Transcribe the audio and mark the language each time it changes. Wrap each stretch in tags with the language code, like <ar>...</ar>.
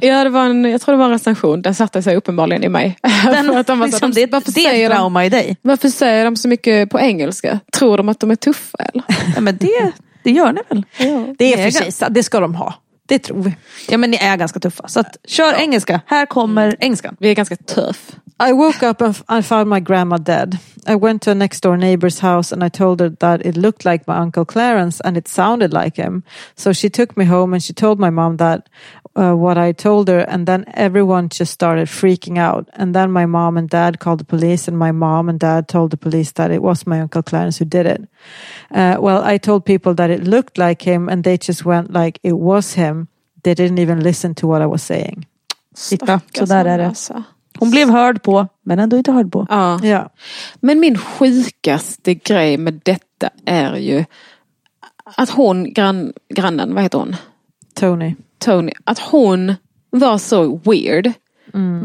<sv>Ja, det var en, jag tror det var en recension. Den satte sig uppenbarligen i mig. Den, att de var liksom, de, varför det säger de, trauma i dig? Varför säger de så mycket på engelska? Tror de att de är tuffa eller? Ja, men det gör ni väl? Ja. Det är precis, det ska de ha. Det tror vi. Ja, men ni är ganska tuffa. Så att, kör engelska. Här kommer engelskan. Vi är ganska tuff.</sv> <en>I woke up and I found my grandma dead. I went to a next door neighbor's house and I told her that it looked like my uncle Clarence and it sounded like him. So she took me home and she told my mom that what I told her, and then everyone just started freaking out. And then my mom and dad called the police, and my mom and dad told the police that it was my uncle Clarence who did it. Well, I told people that it looked like him and they just went like it was him. They didn't even listen to what I was saying.</en> <sv>Sitta, så där är det. Hon blev hörd på, men ändå inte hörd på. Ja. Ja. Men min sjukaste grej med detta är ju att hon, grannen, vad heter hon? Tony. Att hon var så weird. Mm.</sv>